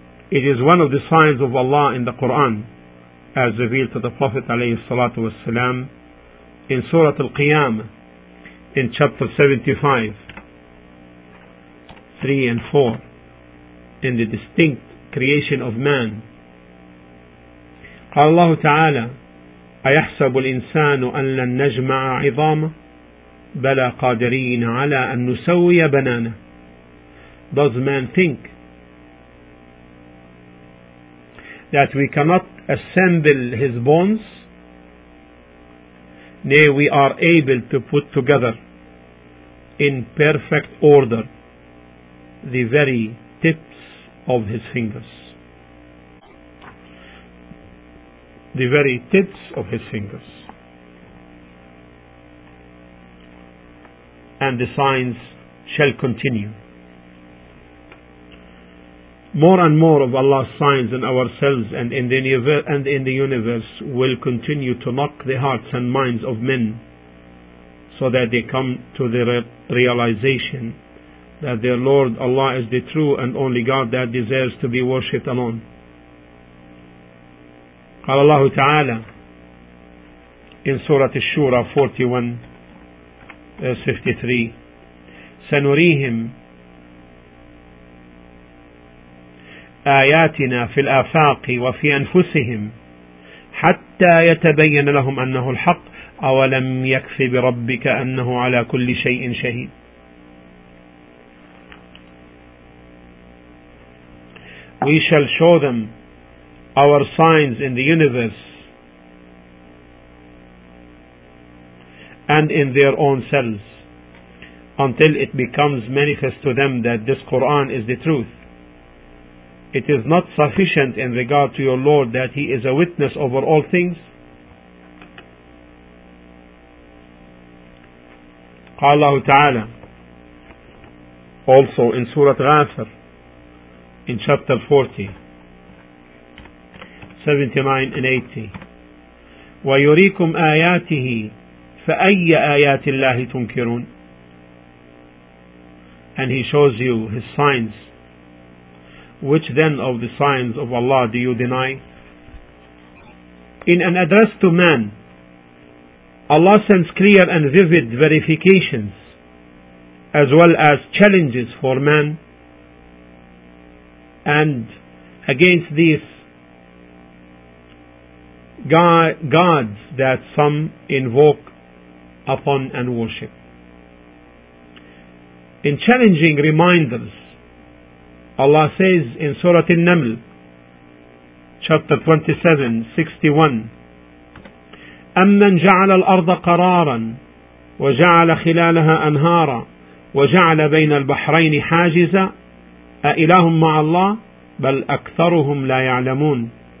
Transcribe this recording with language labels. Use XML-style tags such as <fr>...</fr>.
<en>It is one of the signs of Allah in the Quran, as revealed to the Prophet ﷺ in Surah Al-Qiyamah, in chapter 75, 3 and 4, in the distinct creation of man.</en> <ar>قال الله تعالى أيحسب الإنسان أن لن نجمع عظامه بلى قادرين على أن نسوي بنانه.</ar> <en>Does man think that we cannot assemble his bones? Nay, we are able to put together in perfect order the very tips of his fingers. The very tips of his fingers. And the signs shall continue. More and more of Allah's signs in ourselves and in the universe will continue to knock the hearts and minds of men, so that they come to the realization that their Lord Allah is the true and only God that deserves to be worshipped alone.</en> <ar>قال الله تعالى</ar> <en>in Surah Ash-Shura 41:53,</en> <ar>سنريهم آياتنا في الآفاق وفي أنفسهم حتى يتبين لهم أنه الحق أولم يكف بربك أنه على كل شيء شهيد.</ar> <en>We shall show them our signs in the universe and in their own selves until it becomes manifest to them that this Quran is the truth. It is not sufficient in regard to your Lord that He is a witness over all things.</en> <ar>قال الله تعالى</ar> <en>also in Surah Ghafir in chapter 40 79 and 80,</en> <ar>ويريكم آياته فأي آيات الله تنكرون.</ar> <en>And he shows you his signs. Which then of the signs of Allah do you deny? In an address to man, Allah sends clear and vivid verifications as well as challenges for man. And against these gods that some invoke upon and worship. In challenging reminders, Allah says in Surah An-Naml, chapter 27, 61,</en> <ar>أَمَّنْ جَعَلَ الْأَرْضَ قَرَارًا وَجَعَلَ خِلَالَهَا أَنْهَارًا وَجَعَلَ بَيْنَ الْبَحْرَيْنِ حَاجِزًا أَإِلَهٌ مَعَ اللَّهِ بَلْ أَكْثَرُهُمْ لَا يَعْلَمُونَ.</ar>